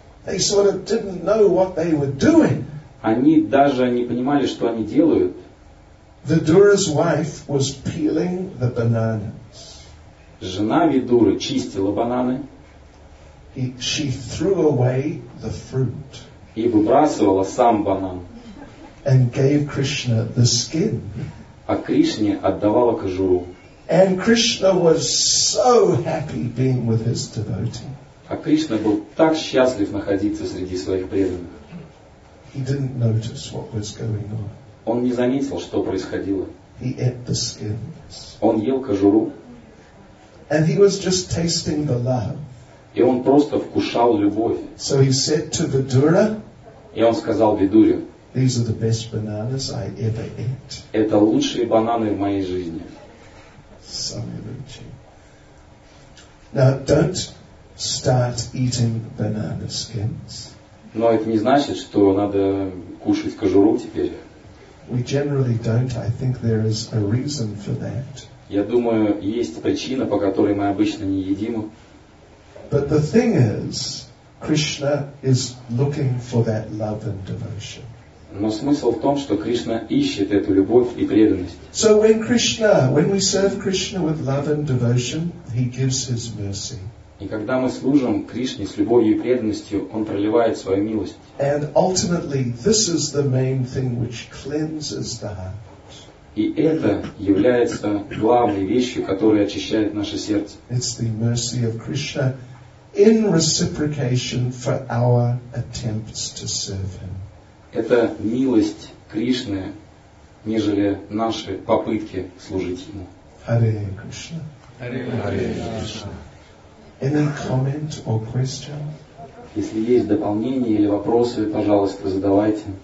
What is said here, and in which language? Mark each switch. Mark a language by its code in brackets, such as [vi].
[en] They sort of didn't know what they were doing. [ru] Они даже не понимали, что они делают. [en] Vidura's wife was peeling the bananas. [ru] Жена Видуры чистила бананы. [en] She threw away the fruit. [ru] и выбрасывала сам банан. [en] And gave Krishna the skin. [ru] А Кришне отдавала кожуру. [en] And Krishna was so happy being with his devotee. [ru] А Кришна был так счастлив находиться среди своих преданных. [en] He didn't notice what was going on. [ru] Он не заметил, что происходило. [en] He ate the skins. [ru] Он ел кожуру. [en] And he was just tasting the love. [ru] И он просто вкушал любовь. [en] So he said to Vidura. [ru] И он сказал Видуре. [en] These are the best bananas I ever ate. [ru] Это лучшие бананы в моей жизни. [en] Samiruchi. Now don't start eating banana skins. [ru] Но это не значит, что надо кушать кожуру теперь. [en] We generally don't. I think there is a reason for that. [ru] Я думаю, есть причина, по которой мы обычно не едим. [en] But the thing is, Krishna is looking for that love and devotion. [ru] Но смысл в том, что Кришна ищет эту любовь и преданность. [en] So when Krishna, when we serve Krishna with love and devotion, he gives his mercy. [ru] И когда мы служим Кришне с любовью и преданностью, он проливает свою милость. [en] And ultimately, this is the main thing which cleanses the heart. [ru] И это является главной вещью, которая очищает наше сердце. [en] It's the mercy of Krishna in reciprocation for our attempts to serve him. [ru] Это милость Кришны, нежели наши попытки служить ему. [sa] Hare Krishna. Hare Krishna. [en] Any comment or question? [ru] Если есть дополнения или вопросы, пожалуйста, задавайте.